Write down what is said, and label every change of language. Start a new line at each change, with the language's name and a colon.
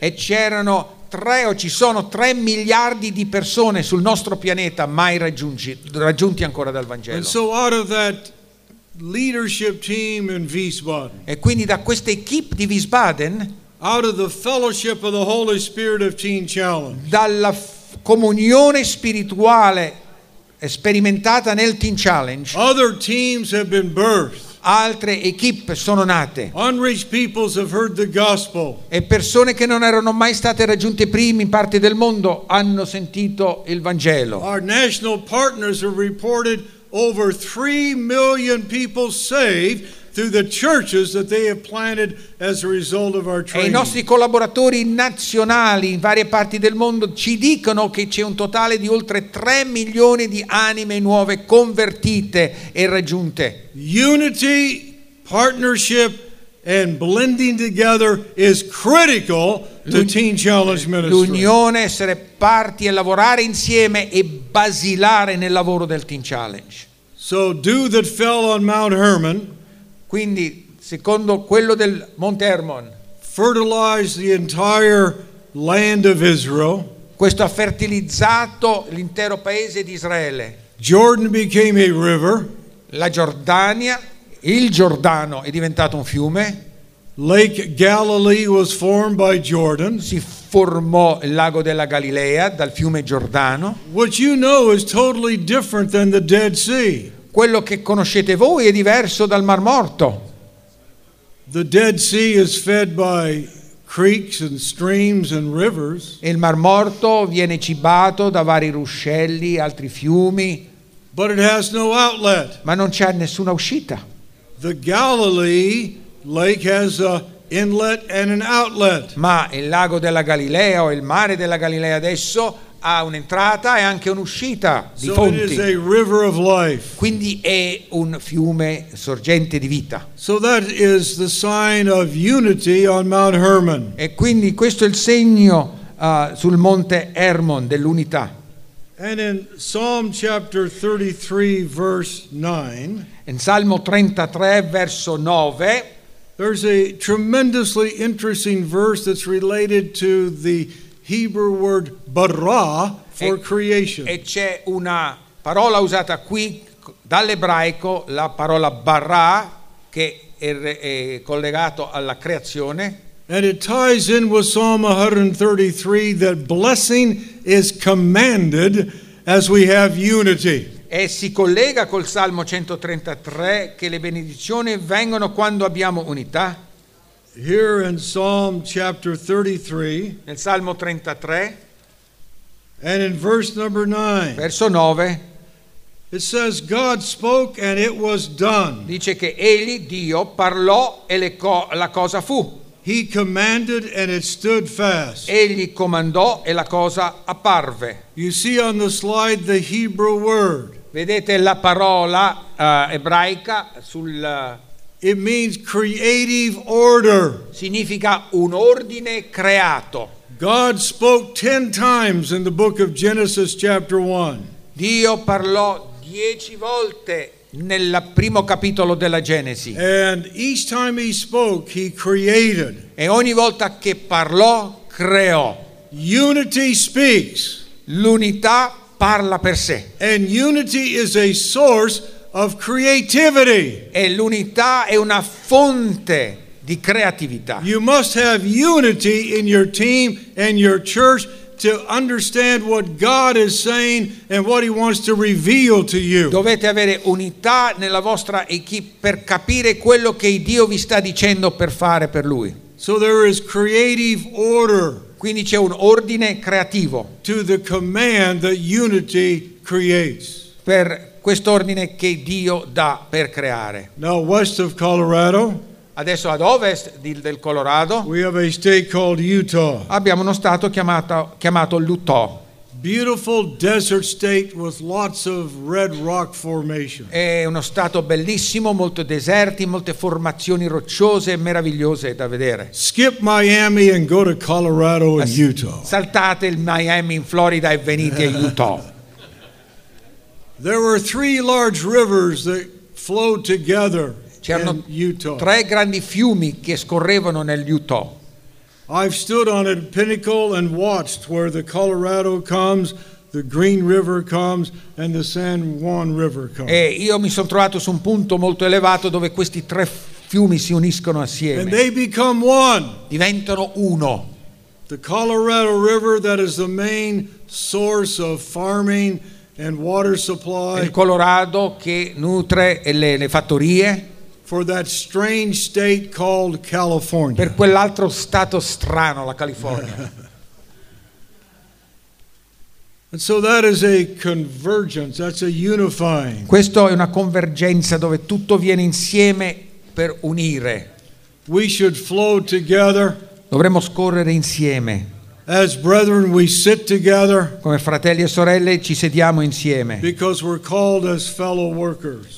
Italian: E c'erano tre o ci sono 3 miliardi di persone sul nostro pianeta mai raggiunti ancora dal Vangelo.
English: And so out of that leadership team in Wiesbaden.
Italian: E quindi da questa equipe di Wiesbaden.
English: Out of the fellowship of the Holy Spirit of Teen Challenge.
Italian: Dalla comunione spirituale sperimentata nel Teen Challenge.
English: Other teams have been birthed.
Italian: Altre equipe sono nate.
English: Unreached peoples have heard the gospel.
Italian: E persone che non erano mai state raggiunte prima in parte del mondo hanno sentito il Vangelo.
English: Our national partners have reported over 3 million people saved through the churches that they have planted as a result of our training.
Italian: E i nostri collaboratori nazionali in varie parti del mondo ci dicono che c'è un totale di oltre 3 milioni di anime nuove convertite e raggiunte.
English: Unity, partnership and blending together is critical to Teen Challenge ministry.
Italian: L'unione, essere parti e lavorare insieme è basilare nel lavoro del Teen Challenge.
English: So dew that fell on Mount Hermon.
Italian: Quindi, secondo quello del Monte Hermon,
English: fertilized the entire land of Israel.
Italian: Questo ha fertilizzato l'intero paese di Israele.
English: Jordan became a river.
Italian: La Giordania, il Giordano è diventato un fiume.
English: Lake Galilee was formed by Jordan.
Italian: Si formò il lago della Galilea dal fiume Giordano.
English: What you know is totally different than the Dead Sea.
Italian: Quello che conoscete voi è diverso dal Mar Morto.
English: The Dead Sea is fed by creeks and streams and rivers.
Italian: Il Mar Morto viene cibato da vari ruscelli, altri fiumi.
English: But it has no outlet.
Italian: Ma non c'è nessuna uscita.
English: The Galilee lake has a inlet and an outlet.
Italian: Ma il lago della Galilea o il mare della Galilea adesso ha un'entrata e anche un'uscita di fonti.
English: So it is a river of life.
Italian: Quindi è un fiume sorgente di vita.
English: So that is the sign of unity on Mount Hermon.
Italian: E quindi questo è il segno sul Monte Hermon dell'unità.
English: And in Psalm chapter 33 verse 9.
Italian: In Salmo 33 verso 9.
English: There's a tremendously interesting verse that's related to the Hebrew word bara for creation.
Italian: E c'è una parola usata qui dall'ebraico, la parola bara, che è collegato alla creazione.
English: And it ties in with Psalm 133 that blessing is commanded as we have unity.
Italian: E si collega col Salmo 133 che le benedizioni vengono quando abbiamo unità.
English: Here in Psalm chapter 33,
Italian: nel Salmo 33,
English: and in verse number 9,
Italian: verso 9,
English: it says God spoke and it was done.
Italian: Dice che egli, Dio, parlò e la cosa fu.
English: He commanded and it stood fast.
Italian: Egli comandò e la cosa apparve.
English: You see on the slide the Hebrew word.
Italian: Vedete la parola ebraica sul.
English: It means creative order.
Italian: Significa un ordine creato.
English: God spoke 10 times in the book of Genesis chapter 1.
Italian: Dio parlò 10 volte nel primo capitolo della Genesi.
English: And each time he spoke, he created.
Italian: E ogni volta che parlò, creò.
English: Unity speaks.
Italian: L'unità parla per sé.
English: And unity is a source of creativity.
Italian: E l'unità è una fonte di creatività.
English: You must have unity in your team and your church to understand what God is saying and what he wants to reveal to you.
Italian: Dovete avere unità nella vostra equipe per capire quello che Dio vi sta dicendo per fare per lui.
English: So there is creative order.
Italian: Quindi c'è un ordine creativo.
English: To the command that unity creates.
Italian: Per quest'ordine che Dio dà per creare.
English: Now west of Colorado.
Italian: Adesso ad ovest del Colorado.
English: We have a state called Utah.
Italian: Abbiamo uno stato chiamato l'Utah.
English: Beautiful desert state with lots of red rock formation.
Italian: È uno stato bellissimo, molto deserti, molte formazioni rocciose meravigliose da vedere.
English: Skip Miami and go to Colorado and Utah.
Italian: Saltate il Miami in Florida e venite a Utah.
English: There were three large rivers that flowed together.
Italian: C'erano tre grandi fiumi che scorrevano nel Utah.
English: I've stood on a pinnacle and watched where the Colorado comes, the Green River comes, and the San Juan River comes.
Italian: E io mi sono trovato su un punto molto elevato dove questi tre fiumi si uniscono assieme.
English: And they become one.
Italian: Diventano uno.
English: The Colorado River, that is the main source of farming and water supply.
Italian: Il Colorado che nutre le fattorie.
English: For that strange state called California.
Italian: Per quell'altro stato strano, la California.
English: And so that is a convergence, that's a unifying.
Italian: Questo è una convergenza dove tutto viene insieme per unire.
English: We should flow together.
Italian: Dovremmo scorrere insieme.
English: As brethren, we sit together.
Italian: Come fratelli e sorelle ci sediamo insieme.
English: Because we're called as fellow workers.